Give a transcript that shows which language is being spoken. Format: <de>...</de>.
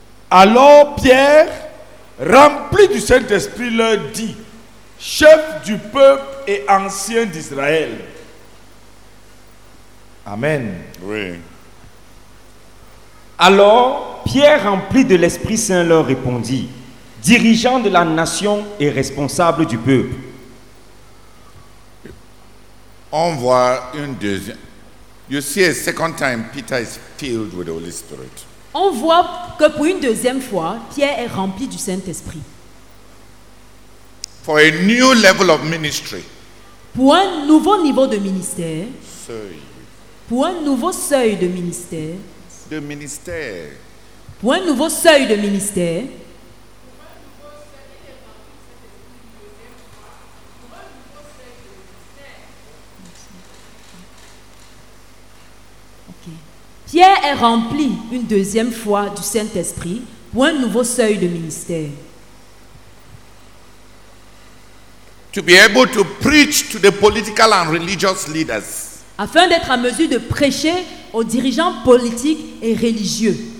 <fr>Alors Pierre, rempli du Saint-Esprit, leur dit, chef du peuple et ancien d'Israël. Amen. Oui. Alors Pierre, rempli de l'Esprit Saint, leur répondit, dirigeant de la nation et responsable du peuple. On voit une deuxième.</fr> <en>You see a second time Peter is filled with the Holy Spirit.</en> <fr>On voit que pour une deuxième fois, Pierre est rempli du Saint-Esprit.</fr> <en>For a new level of ministry.</en> <fr>Pour un nouveau niveau de ministère. Seuil. Pour un nouveau seuil de ministère. De ministère. Pour un nouveau seuil de ministère. Pierre est rempli une deuxième fois du Saint-Esprit pour un nouveau seuil de ministère.</fr> <en>To be able to preach to the political and religious leaders.</en> <fr>Afin d'être en mesure de prêcher aux dirigeants politiques et religieux.</fr>